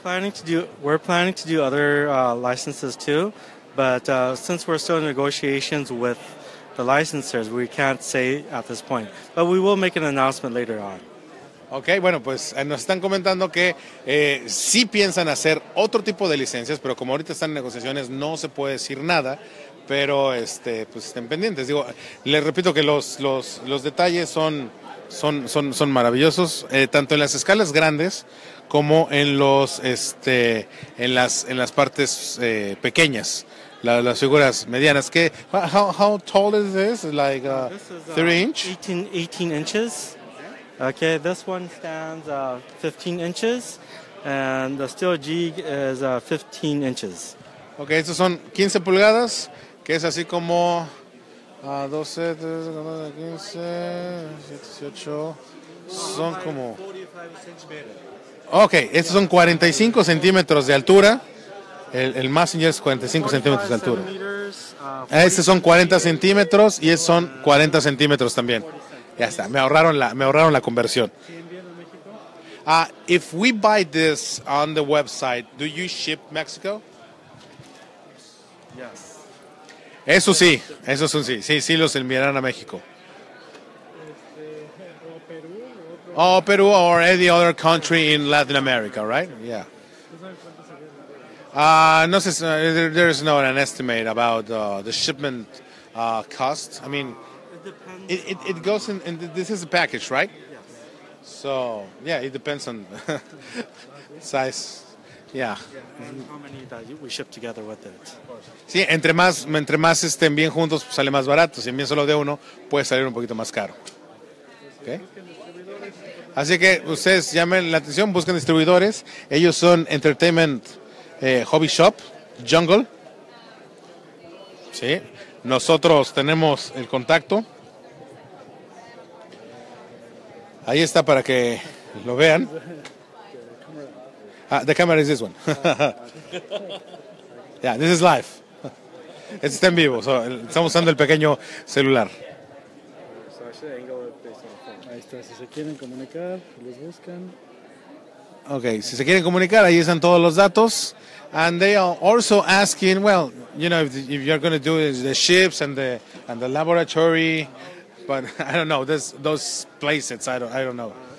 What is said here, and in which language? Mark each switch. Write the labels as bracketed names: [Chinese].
[English] We're planning to do other licenses too, but since we're still in negotiations with the licensors, we can't say at this point, but we will make an announcement later on. [Spanish] Okay, bueno, pues nos están comentando que sí piensan hacer otro tipo de licencias, pero como ahorita están en negociaciones, no se puede decir nada, pero pues estén pendientes. Digo, les repito que los detalles son maravillosos, tanto en las escalas grandes como en los en las partes pequeñas, las figuras medianas. [English] Que how tall is this? Like 3 inch? 18 inches. Okay, this one stands 15 inches, and the steel jig is 15 inches. [Spanish] Okay, estos son 15 pulgadas, que es así como 12, 13, 14, 15, 18, son como... Okay, estos son 45 centímetros de altura, el Massinger es 45 centímetros de altura. Estos son 40 centímetros y estos son 40 centímetros también. Ya está, me ahorraron la conversión. [English] If we buy this on the website, do you ship Mexico? Yes. [Spanish] Eso sí. Sí, los enviarán a México. O Perú. [English] Oh, Perú or any other country in Latin America, right? Yeah. [Spanish] No sé, [English] there is not an estimate about the shipment cost. I mean, It goes in, and this is a package, right? Yes. So, yeah, it depends on size. Yeah. And how many that we ship together with it. [Spanish] Sí, entre más estén bien juntos, sale más barato. Si envían solo de uno, puede salir un poquito más caro. Okay. Así que ustedes llamen la atención, busquen distribuidores. Ellos son Entertainment Hobby Shop, Jungle. Sí. Nosotros tenemos el contacto. Ahí está para que lo vean. [English] The camera is this one. Yeah, this is live. [Spanish] Este está en vivo. [English] So, [Spanish] estamos usando el pequeño celular. Ahí está. Si se quieren comunicar, los buscan. Okay, si se quieren comunicar, ahí están todos los datos. [English] And they are also asking, well, you know, if you're going to do the ships and the laboratory, but I don't know, those places, I don't know.